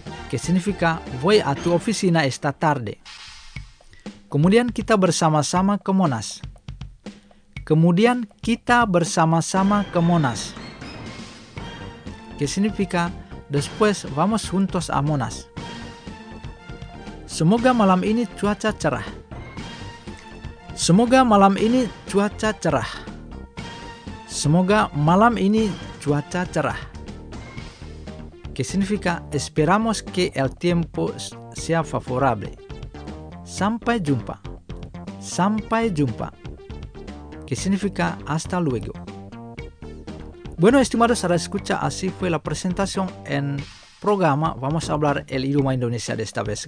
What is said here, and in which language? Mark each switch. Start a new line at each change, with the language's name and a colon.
Spanish: Que significa voy a tu oficina esta tarde.
Indonesian: Kemudian kita bersama-sama ke Monas. Kemudian kita bersama-sama ke Monas.
Spanish: Que significa después vamos juntos a Monas.
Indonesian: Semoga malam ini cuaca cerah. Semoga malam ini cuaca cerah. Semoga malam ini cuaca cerah.
Spanish: Que significa esperamos que el tiempo sea favorable.
Indonesian: Sampai jumpa. Sampai jumpa.
Spanish: Que significa hasta luego. Bueno, estimados, ahora escucha, así fue la presentación en programa Vamos a hablar el idioma indonesia de esta vez.